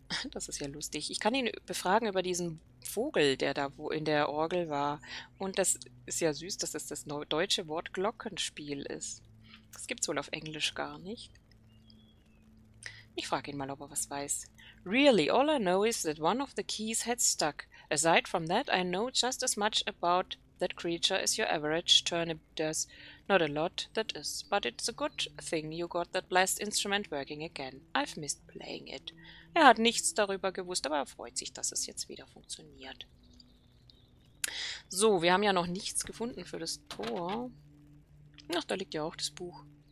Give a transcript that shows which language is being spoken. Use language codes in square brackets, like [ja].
[de] Das ist ja lustig. Ich kann ihn befragen über diesen Vogel, der da wo in der Orgel war. Und das ist ja süß, dass es das deutsche Wort Glockenspiel ist. Das gibt es wohl auf Englisch gar nicht. Ich frage ihn mal, ob er was weiß. [en] Really, all I know is that one of the keys had stuck. Aside from that, I know just as much about that creature as your average turnip does. Not a lot, that is. But it's a good thing you got that blessed instrument working again. I've missed playing it. [de] Er hat nichts darüber gewusst, aber er freut sich, dass es jetzt wieder funktioniert. So, wir haben ja noch nichts gefunden für das Tor. Ach, da liegt ja auch das Buch.